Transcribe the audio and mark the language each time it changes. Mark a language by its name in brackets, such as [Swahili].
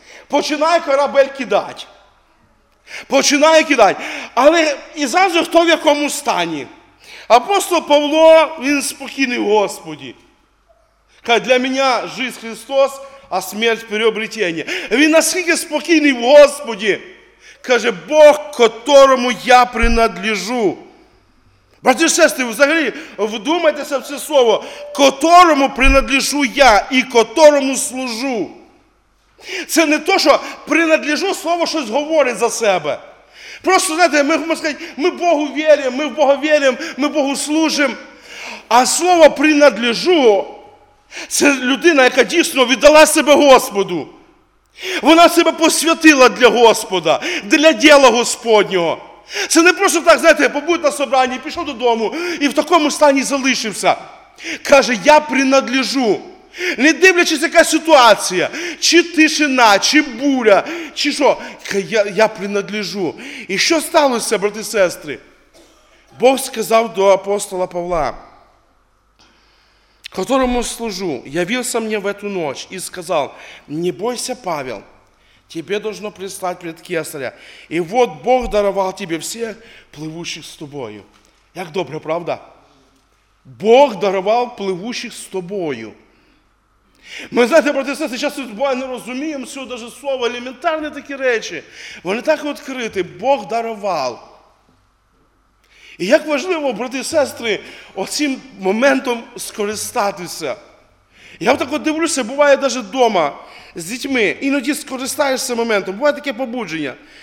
[Ukrainian] Починає корабель кидати. Починає кидати. Але і завжди хто в якому стані. Апостол Павло, він спокійний в Господі. Каже, для мене життя Христос, а смерть переобретення. Він наскільки спокійний в Господі. Каже, Бог, [Russian] которому я принадлежу. [Ukrainian] Брати і сестри, взагалі, вдумайтеся в це слово, котрому принадлежу я і котрому служу. Це не то, що принадлежу, слово щось говорить за себе. Просто, знаєте, ми Богу віримо, ми в Бога віримо, ми Богу служимо. А слово принадлежу, це людина, яка дійсно віддала себе Господу. Вона себе посвятила для Господа, для діла Господнього. Це не просто так, знаєте, побув на собранні, пішов додому і в такому стані залишився. Каже, я принадлежу. Не дивлячись, яка ситуація, чи тишина, чи буря, чи що, я принадлежу. І що сталося, брати і сестри? Бог сказав до апостола Павла, [Russian] которому служу, явился мне в эту ночь и сказал: «Не бойся, Павел, тебе должно предстать пред Кесаря, и вот Бог даровал тебе всех плывущих с тобою». [Ukrainian] Як добре, правда? [Russian] Бог даровал плывущих с тобою. [Ukrainian] Ми, знаєте, брати і сестри, зараз буває не розуміємо всього, даже слова, елементарні такі речі. Вони так відкриті. Бог дарував. І як важливо, брати і сестри, оцим моментом скористатися. Я так от дивлюся, буває даже вдома з дітьми, іноді скористаєшся моментом, буває таке побудження.